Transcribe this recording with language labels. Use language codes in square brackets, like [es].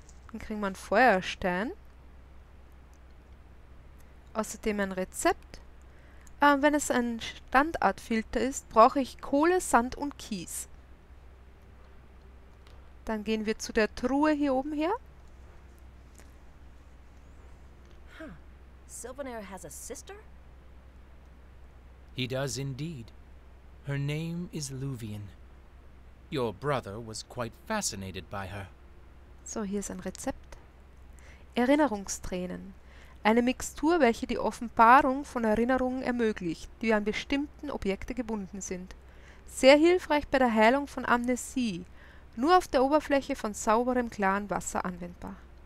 [de] Dann kriegen wir einen Feuerstein. Außerdem ein Rezept. Wenn es ein Standardfilter ist, brauche ich Kohle, Sand und Kies. Dann gehen wir zu der Truhe hier oben her. [en] Sylvanaire has a sister? He does indeed. Her name is Luvian. Your brother was quite fascinated by her. [de] So, hier ist ein Rezept. Erinnerungstränen. Eine Mixtur, welche die Offenbarung von Erinnerungen ermöglicht, die an bestimmten Objekte gebunden sind. Sehr hilfreich bei der Heilung von Amnesie. Nur auf der Oberfläche von sauberem, klaren Wasser anwendbar.